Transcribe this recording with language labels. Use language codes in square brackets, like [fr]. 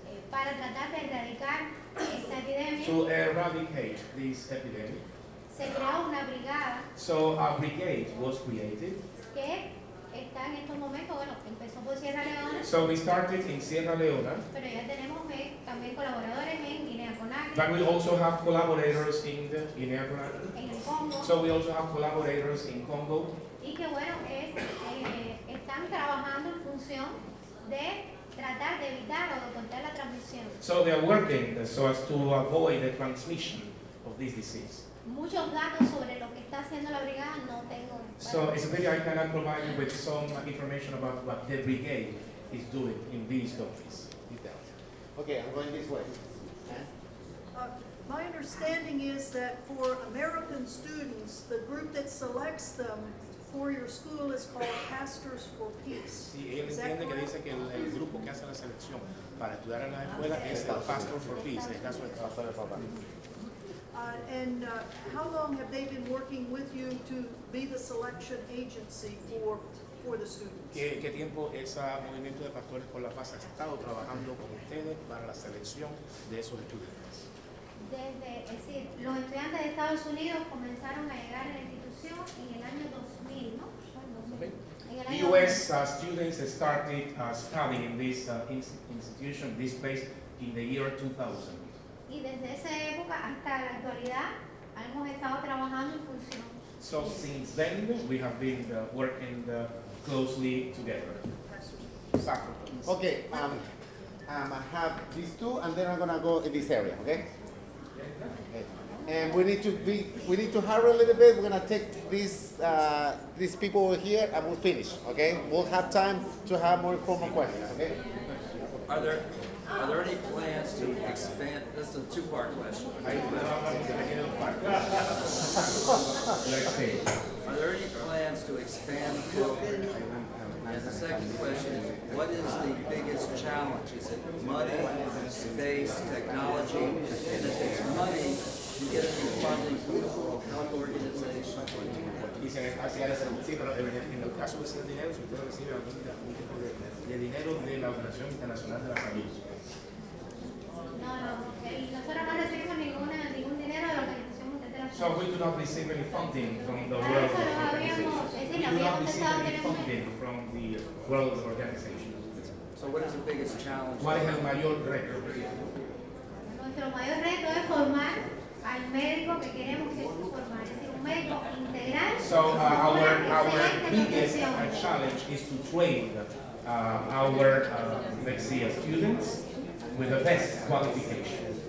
[es] Para tratar de erradicar esta epidemia, [en] to eradicate this epidemic, [es] se creó una brigada. [en] So a brigade was created. [es] Que está en estos momentos, bueno, empezó por Sierra Leona. [en] So we started in Sierra Leona. [es] Pero ya tenemos también colaboradores en Guinea Conakry. [en] But we also have collaborators in Guinea Conakry. [es] En el Congo. [en] So we also have collaborators in Congo. [es] Y que bueno es están trabajando en función de tratar de evitar o de cortar la transmisión. [en] So they are working so as to avoid the transmission of this disease. [es] Muchos datos sobre lo que está haciendo la brigada no tengo. [en] So it's a pity I cannot provide you with some information about what the brigade is doing in these countries. Okay, I'm going this way. My understanding is that for American students, the group that selects them for your school is called Pastors for Peace. [es] Sí, él entiende que dice que el grupo que hace la selección para estudiar en la escuela es el Pastor for Peace, en el caso de Pastor for Peace. [en] And how long have they been working with you to be the selection agency for the students? [es] ¿Qué tiempo ese movimiento de Pastores por la Paz ha estado trabajando con ustedes para la selección de esos estudiantes? Desde, es decir, los estudiantes de Estados Unidos comenzaron a llegar a la institución en el año 2000. [en] Okay. U.S. Students started studying in this institution, this place, in the year 2000. [es] Y desde esa época hasta la actualidad, hemos estado trabajando en función. [en] So since then, we have been working closely together. Okay, I have these two, and then I'm going to go in this area, okay? And we need to hurry a little bit. We're gonna take these people over here, and we'll finish. Okay, we'll have time to have more formal questions. Okay. Are there any plans to expand? This is a two part question. Are there any plans to expand COVID? And the second question is, what is the biggest challenge? Is it money, space, technology? And if it's money, [es] y se hacía la salud. Sí, pero en el caso de ser dinero, si usted recibe algún tipo de dinero de la Organización Internacional de la Salud. No, nosotros no recibimos ningún dinero de la Organización Mundial de la Salud. [en] So we do not receive any funding from the World Organization. We do not receive any funding from the World Organization. So what is the biggest challenge? [es] ¿Cuál es el mayor reto? Nuestro mayor reto es formar [en] our biggest challenge is to train our next year students with the best qualifications.